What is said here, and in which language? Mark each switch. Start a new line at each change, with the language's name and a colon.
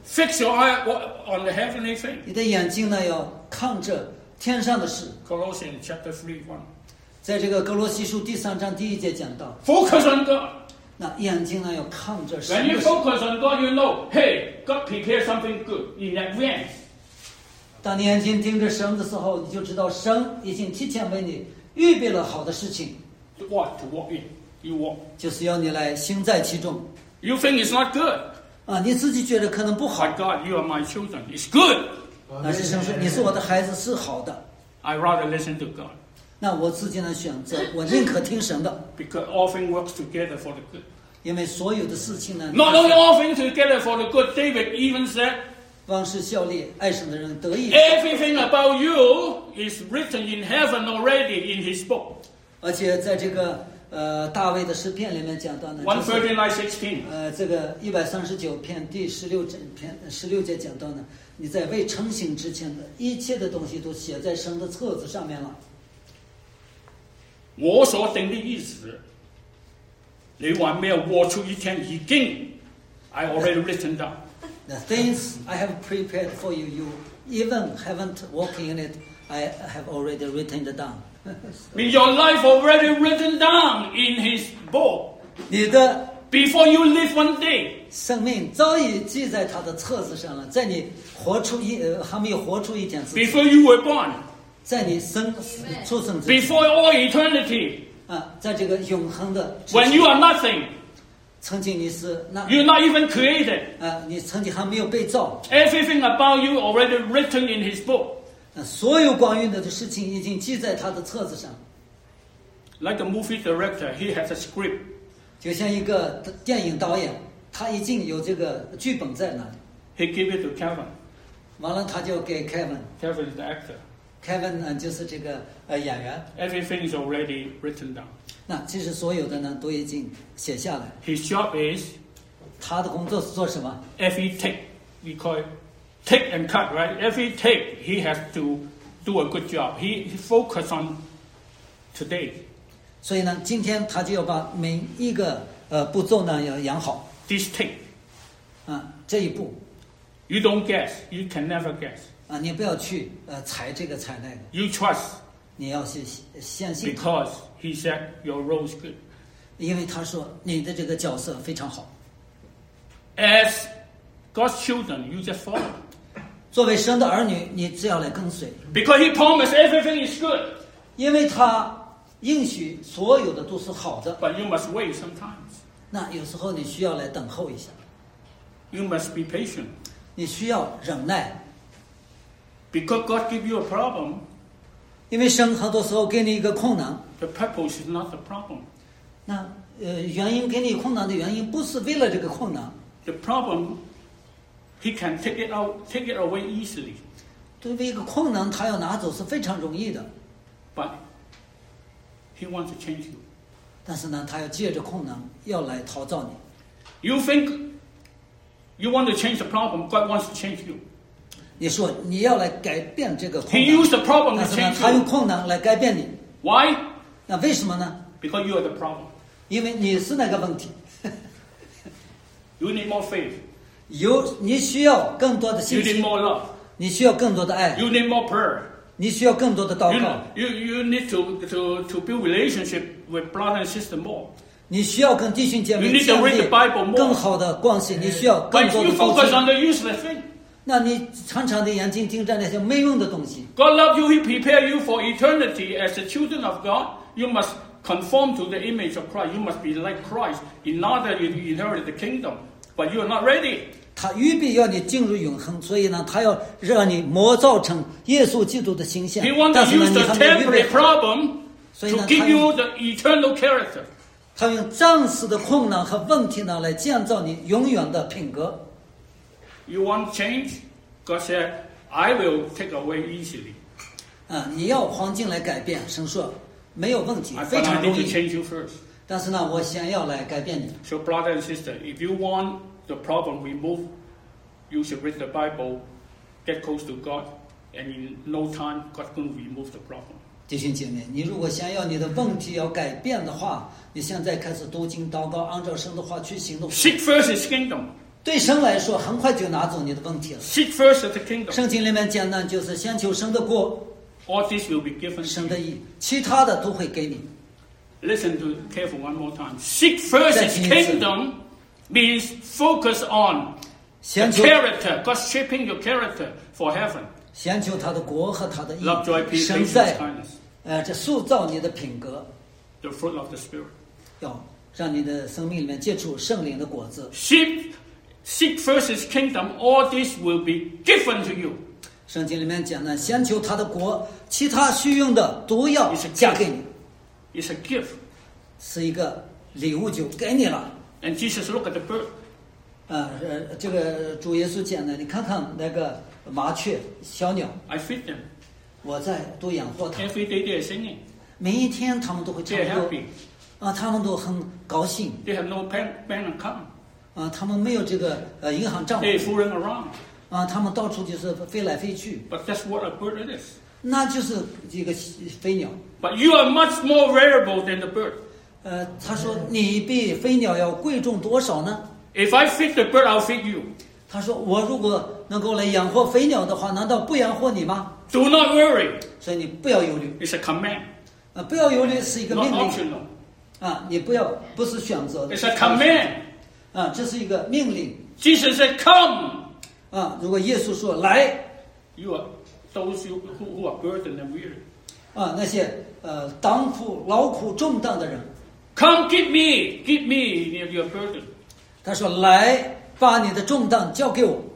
English: Fix your eye on the heavenly thing.
Chinese: 你的眼睛呢，要看着天上的事。
English: Colossians chapter 3:1.
Chinese: 在这个哥罗西书第三章第一节讲到
English: ，focus on God，
Chinese: 那眼睛呢要看着神。
English: When you focus on God, you know, hey, God prepared something good in advance.
Chinese: 当你眼睛盯着神的时候，你就知道神已经提前为你预备了好的事情。
English: What to walk in? You walk.
Chinese: 就是要你来行在其中。
English: You think it's not good?
Chinese: 你自己觉得可能不好。
English: My God, you are my children. It's good.
Chinese: 那是神说你是我的孩子是好的。
English: I rather listen to God.
Chinese: 那我自己的选择，我宁可听神的。
English: Because all things work together for the good.
Chinese: 因为所有的事情呢。
English: Not only all things together for the good. David even said.
Chinese: 万事效力，爱神的人得益。
English: Everything about you is written in heaven already in His book.
Chinese: 而且在这个大卫的诗篇里面讲到呢。
English: 139:16.
Chinese: 这个139篇第16节讲到呢，你在未成形之前的一切的东西都写在神的册子上面了。我所定的意思，你还没有活出一天，已经 ，
English: I already written down. The things I have prepared for you, you even haven't walked in it. I have already written down. So, your life already written down in His book.
Chinese: 你的
English: before you live one day,
Chinese: 生命早已记在他的册子上了。在你活出一还没有活出一天之前
English: before you were born.
Chinese: 在你生出生之前
English: Before all eternity,
Chinese: 在这个永恒的
English: When you are nothing,
Chinese: 曾经你是
English: You're not even created,
Chinese: 你曾经还没有被造
English: Everything about you already written in His book,
Chinese: 所有关于你的事情已经记在他的册子上
English: Like a movie director, he has a script,
Chinese: 就像一个电影导演，他已经有这个剧本在那里
English: He gave it to Kevin,
Chinese: 完了他就给 Kevin
English: Kevin is the actor.
Chinese: Kevin 就是这个演员。
English: Everything is already written down.
Chinese: 那其实所有的呢都已经写下来。
English: His job is.
Chinese: 他的工作是做什么
English: ？Every take, we call it take and cut, right? Every take, he has to do a good job. He focus on today.
Chinese: 所以呢，今天他就要把每一个步骤呢要养好。
English: This take.
Chinese: 这一步。
English: You don't guess. You can never guess.
Chinese: 你不要去猜这个猜那个。
English: You trust.
Chinese: 你要去相信。
English: Because he said your role is good.
Chinese: 因为他说你的这个角色非常好。
English: As God's children, you just follow.
Chinese: 作为神的儿女，你只要来跟随。
English: Because he promised everything is good.
Chinese: 因为他应许所有的都是好的。
English: But you must wait sometimes.
Chinese: 那有时候你需要来等候一下。
English: You must be patient.
Chinese: 你需要忍耐。
English: Because God gives you a problem.
Chinese: 因为神很多时候给你一个困难。
English: The purpose is not the problem.
Chinese: 那原因给你困难的原因不是为了这个困难。
English: The problem, he can take it away easily.
Chinese: 对于一个困难，他要拿走是非常容易的。
English: But he wants to change you.
Chinese: 但是呢，他要借着困难要来陶造你。
English: You think you want to change the problem, God wants to change you.
Chinese: 你说你要来改变这个困难。
English: He used the problem to change you.
Chinese: 他用困难来改变你。
English: Why?
Chinese: 那为什么呢？
English: Because you are the problem.
Chinese: 因为你是那个问题。
English: You need more faith.
Chinese: 你需要更多的信心。
English: You need more love.
Chinese: 你需要更多的爱。
English: You need more prayer.
Chinese: 你需要更多的祷告。
English: You need to build relationship with brother and sister more.
Chinese: 你需要跟弟兄姐妹建立更好的关系。
English: You need to read the Bible more.
Chinese: 你需要更多的福音。
English: But you focus on the useless thing.
Chinese: 那你常常的眼睛盯着那些没用的东西。
English: God loves you. He prepared you for eternity as the children of God. You must conform to the image of Christ. You must be like Christ in order to inherit the kingdom. But you are not ready.
Chinese: 他预备要你进入永恒，所以呢，他要让你磨造成耶稣基督的形象。
English: He wants to use the temporary problem to give you the eternal character.
Chinese: 他用暂时的困难和问题呢，来建造你永远的品格。
English: You want change? God said, "I will take away easily."
Chinese: 你要环境来改变，神说没有问题，非常容易。
English: But I need to change you first.
Chinese: 但是呢，我想要来改变你。
English: So, brother and sister, if you want the problem removed, you should read the Bible, get close to God, and in no time, God can remove the problem.
Chinese: 弟兄姐妹，你如果想要你的问题要改变的话，你现在开始读经、祷告，按照神的话去行动。
English: Seek first His kingdom.
Chinese: 对神来说，很快就拿走你的问题了。
English: Seek first the kingdom.
Chinese: 圣经里面讲到，就是先求神的国。
English: All this will be given.
Chinese: 神的义，其他的都会给你。
English: Listen to careful one more time. Seek first His kingdom means focus on the character. God's shaping your character for heaven.
Chinese: 先求他的国和他的义。
English: Love, joy, peace, kindness.
Chinese: 这塑造你的品格。
English: The fruit of the spirit.
Chinese: 要让你的生命里面结出圣灵的果子。
English: Seek first His kingdom. All this will be given to you.
Chinese: 圣经里面讲呢，先求他的国，其他需用的都要加给你。
English: It's a gift.
Chinese: 是一个礼物就给你了。
English: And Jesus look at the bird.
Chinese: 这个主耶稣讲的，你看看那个麻雀小鸟。
English: I feed them.
Chinese: 我在都养活它。
English: Every day they are singing.
Chinese: 每一天他们都会唱歌。
English: They are happy.
Chinese: 他们都很高兴。
English: They have no bank account.
Chinese: 他们没有这个银行账户。
English: They fooling around.
Chinese: 他们到处就是飞来飞去。
English: But that's what a bird is.
Chinese: 那就是一个飞鸟。
English: But you are much more valuable than the bird.
Chinese: 他说你比飞鸟要贵重多少呢？
English: If I feed the bird, I'll feed you.
Chinese: 他说我如果能够来养活飞鸟的话，难道不养活你吗？
English: Do not worry.
Chinese: 所以你不要忧虑。
English: It's a command.
Chinese: 不要忧虑是一个命令。
English: Not optional.
Chinese: 你不要不是选择。
English: It's a command.
Chinese: 这是一个命令。
English: Jesus said, "Come."
Chinese: 如果耶稣说来
English: ，You are. Those who are burdened and weary.
Chinese: 那些担负劳苦重担的人。
English: Come, give me your burden.
Chinese: 他说来，把你的重担交给我。